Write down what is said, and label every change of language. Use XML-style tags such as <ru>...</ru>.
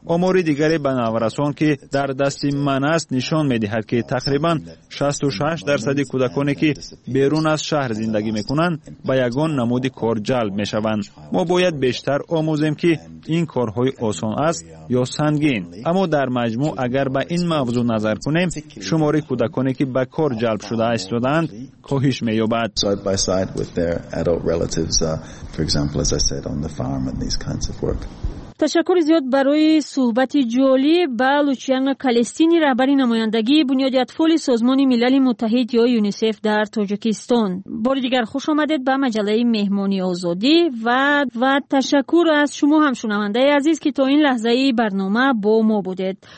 <fa>آمار دیگری به نورسان که در دست من است نشان میدهد که تقریبا 66% کودکانی که بیرون از شهر زندگی میکنند به یگان نمود کار جلب میشوند. ما باید بیشتر آموزیم که این کارهای آسان است یا سنگین. اما در مجموع اگر به این موضوع نظر کنیم، شماره کودکانی که به کار جلب شده استودند کاهش مییابد.</fa> <en>Side by side with their adult relatives, for example, as I said, on the farm and these kinds of work.</en> <fa>تشکر زیاد برای صحبت جالی با لوچیانا کالستینی، رهبری نمایندگی بنیاد اطفال سازمان ملل متحد یا یونیسف در تاجیکستان. بار دیگر خوش آمدید به مجله مهمانی آزادی و تشکر از شما هم شنونده عزیز که تا این لحظه برنامه با ما بودید.</fa>